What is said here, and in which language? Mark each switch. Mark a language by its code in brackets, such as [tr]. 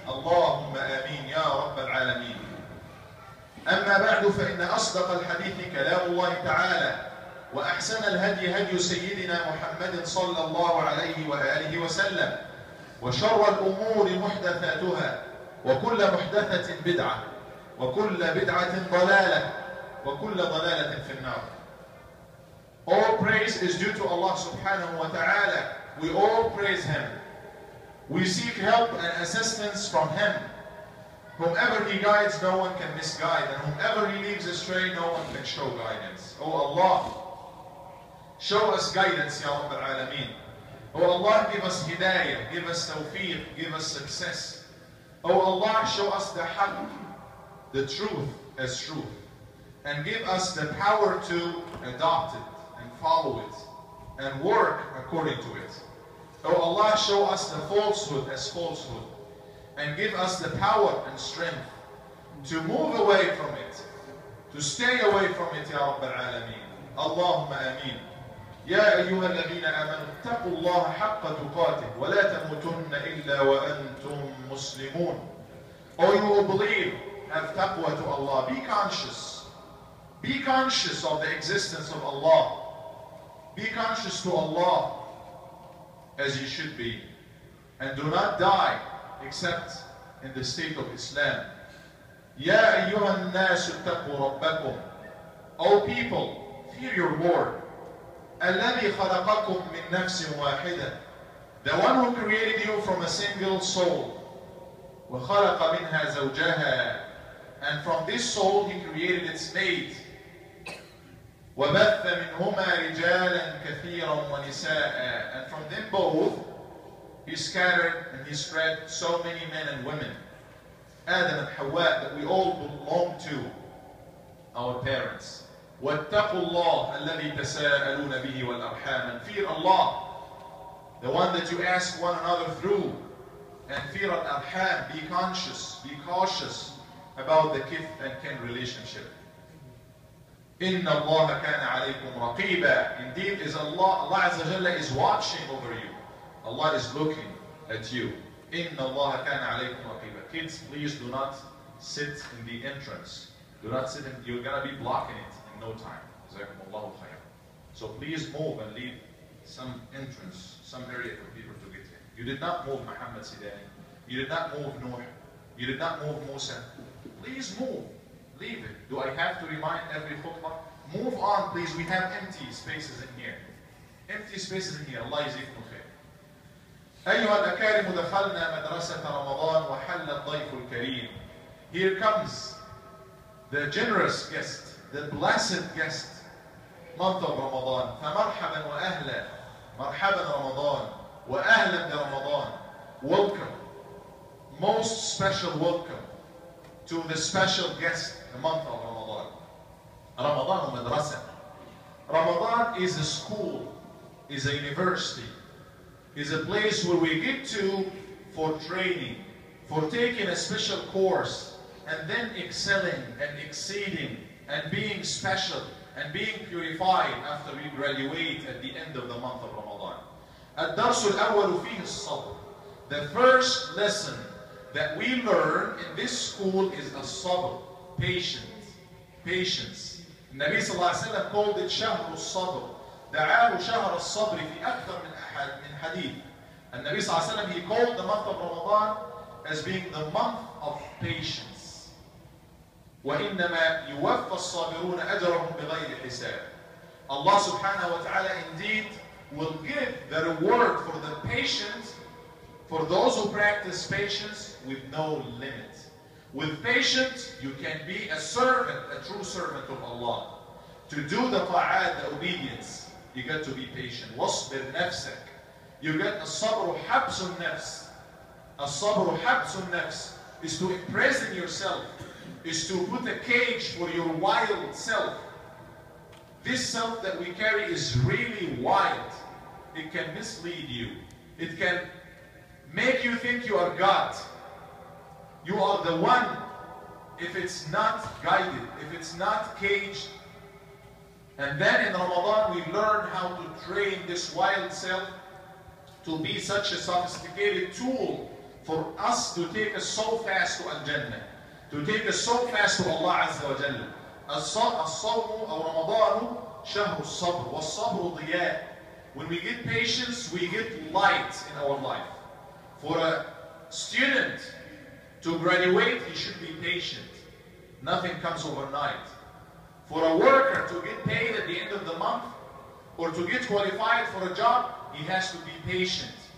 [ar] اللهم آمين يا رب العالمين. أما بعد، فإن أصدق الحديث كلام الله تعالى، وأحسن الهدي هدي سيدنا محمد صلى الله عليه وآله وسلم، وشر الأمور محدثاتها، وكل محدثة بدعة، وكل بدعة ضلالة، وكل ضلالة في النار. [en] All praise is due to Allah subhanahu wa ta'ala. We all praise Him. We seek help and assistance from Him. Whomever He guides, no one can misguide. And whomever He leaves astray, no one can show guidance. Oh Allah, show us guidance, ya Rabbil Alameen. Oh Allah, give us hidayah, give us tawfiq, give us success. Oh Allah, show us the haq, the truth as truth. And give us the power to adopt it and follow it and work according to it. Oh Allah, show us the falsehood as falsehood. And give us the power and strength to move away from it, to stay away from it, ya Rabbil Alameen. Allahumma ameen. [ar] يا أيها الذين آمنوا اتقوا الله حق تقاته ولا تموتن إلا وأنتم مسلمون. [en] O you who believe, have taqwa to Allah. Be conscious. Be conscious of the existence of Allah. Be conscious to Allah as you should be. And do not die except in the state of Islam. [ar] يا أيها الناس اتقوا ربكم. [en] O people, fear your Lord. [ar] الذي خلقكم من نفس واحدة. [en] The one who created you from a single soul. [ar] وخلق منها زوجها. [en] And from this soul he created its mate. [ar] وبث منهما رجالا كثيرا ونساء. [en] And from them both he scattered and he spread so many men and women. آدم وحواء, that we all belong to our parents. [ar] واتقوا الله الذي تساءلون به والأرحام. [en] And fear Allah, the one that you ask one another through. And fear الأرحام, be conscious, be cautious about the kith and kin relationship. [ar] إن الله كان عليكم رقيبا. [en] Indeed, is Allah, Allah عز وجل is watching over you. Allah is looking at you. [ar] إن الله كان عليكم رقيبا. [en] Kids, please do not sit in the entrance. Do not sit in, you're going to be blocking it. No time. Jazakumullahu khair. So please move and leave some entrance, some area for people to get in. You did not move Muhammad Sidani. You did not move Nuh. You did not move Musa. Please move. Leave it. Do I have to remind every khutbah? Move on, please. We have empty spaces in here. Empty spaces in here. Allah yazikum khair. [ar] أيها الأكارم دخلنا مدرسة رمضان وحل الضيف الكريم. [en] Here comes the generous guest. The blessed guest, month of Ramadan. [ar] فَمَرْحَبًا وَأَهْلًا مَرْحَبًا رَمَضَان وَأَهْلًا بِرَمَضَان. [en] Welcome, most special welcome to the special guest, the month of Ramadan. [ar] رَمَضَانُ مَدْرَسَةً. [en] Ramadan is a school, is a university, is a place where we get to for training, for taking a special course, and then excelling and exceeding and being special, and being purified after we graduate at the end of the month of Ramadan. [ar] الدرس الأول فيه الصبر. [en] The first lesson that we learn in this school is الصبر, patience, [ar] النبي صلى الله عليه وسلم [en] called it [ar] شهر الصبر. دعاه شهر الصبر في أكثر من أحد من حديث. النبي صلى الله عليه وسلم [en] he called the month of Ramadan as being the month of patience. [ar] وإنما يوفى الصابرون أجرهم بغير حساب. [en] Allah سبحانه وتعالى indeed will give the reward for the patient, for those who practice patience with no limit. With patience, you can be a servant, a true servant of Allah. To do the ta'at, the obedience, you get to be patient. [ar] وَصْبِرْ نَفْسَكْ [en] You get a [ar] sabru habsun nafs. [en] A sabru habsun nafs is to imprison yourself, is to put a cage for your wild self. This self that we carry is really wild. It can mislead you. It can make you think you are God. You are the one if it's not guided, if it's not caged. And then in Ramadan, we learn how to train this wild self to be such a sophisticated tool for us to take us so fast to Al-Jannah, to take us so fast to Allah Azza wa Jalla. [ar] الصوم أو رمضان شهر الصبر والصبر ضياء. [en] When we get patience, we get light in our life. For a student to graduate, he should be patient. Nothing comes overnight. For a worker to get paid at the end of the month or to get qualified for a job, he has to be patient.